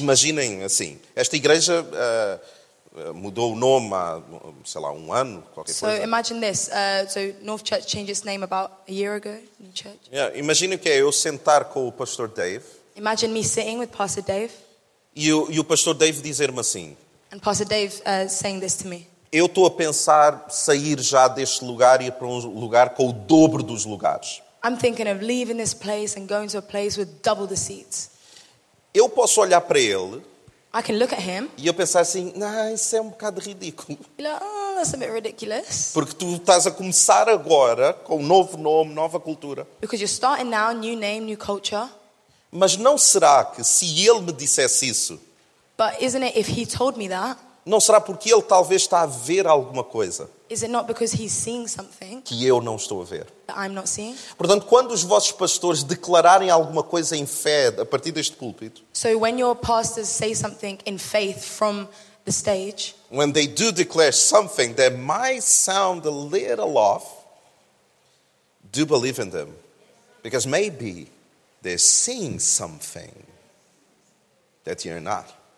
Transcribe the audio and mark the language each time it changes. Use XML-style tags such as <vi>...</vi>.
<pt>imaginem assim, esta igreja mudou o nome há, sei lá, um ano, qualquer</pt> <en>so</en> <pt>coisa.</pt> <en>So imagine this. So North Church changed its name about a year ago. New Church.</en> <pt>Yeah, imagine o que é eu sentar com o Pastor Dave.</pt> <en>Imagine me sitting with Pastor Dave.</en> <pt>E o Pastor Dave dizer-me assim.</pt> <en>And Pastor Dave saying this to me.</en> <pt>Eu estou a pensar sair já deste lugar e ir para um lugar com o dobro dos lugares.</pt> <en>I'm thinking of leaving this place and going to a place with double the seats.</en> <pt>Eu posso olhar para ele.</pt> <en>I can look at him.</en> <pt>E eu pensar assim, nah, isso é um bocado ridículo.</pt> <en>Like, oh, that's a bit ridiculous.</en> <pt>Porque tu estás a começar agora com um novo nome, nova cultura.</pt> <en>Because you're starting now, new name, new culture.</en> <pt>Mas não será que se ele me dissesse isso?</pt> <en>But isn't it if he told me that?</en> <pt>Não será porque ele talvez está a ver alguma coisa?</pt> <en>Is it not because he's seeing something?</en> <pt>Que eu não estou a ver.</pt> <en>That I'm not seeing.</en> <pt>Portanto, quando os vossos pastores declararem alguma coisa em fé a partir deste púlpito,</pt> <en>so when your pastors say something in faith from the stage, when they do declare something that might sound a little off, do believe in them. Because maybe they're seeing something that you're not.</en>